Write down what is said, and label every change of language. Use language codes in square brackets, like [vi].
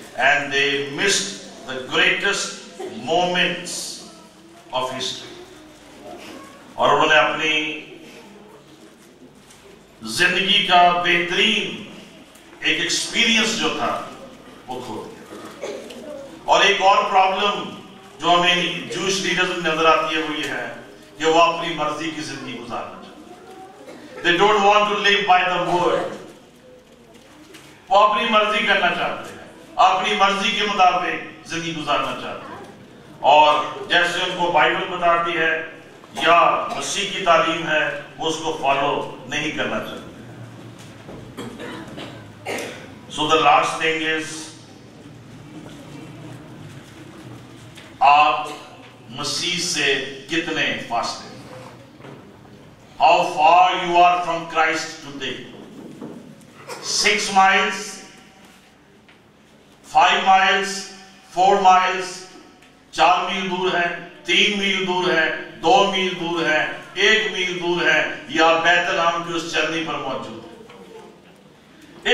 [en] and they miss the greatest moments of history, [ur] اور انہوں نے اپنی زندگی کا بہترین ایک ایکسپیرینس جو تھا وہ کھو دیا. اور ایک اور پرابلم جو ہمیں جوش لیڈرز میں نظر آتی ہوئی ہے کہ وہ اپنی مرضی کی زندگی گزارنا چاہتے ہیں. [en] They don't want to live by the word. [ur] وہ اپنی مرضی کرنا چاہتے ہیں, اپنی مرضی کے مطابق زندگی گزارنا چاہتے ہیں. اور جیسے ان کو بائبل بتاتی ہے یا مسیح کی تعلیم ہے, وہ اس کو فالو نہیں کرنا چاہتے. [en] So the last thing is, [ur] آپ مسیح سے کتنے فاصلے, [en] how far you are from Christ today? 6 miles, 5 miles, 4 miles, [ur] 4 mil دور ہے, 3 mil دور ہے, 2 mil دور ہے, 1 mil دور ہے, یا بیت لحم کی اس چرنی پر موجود ہے.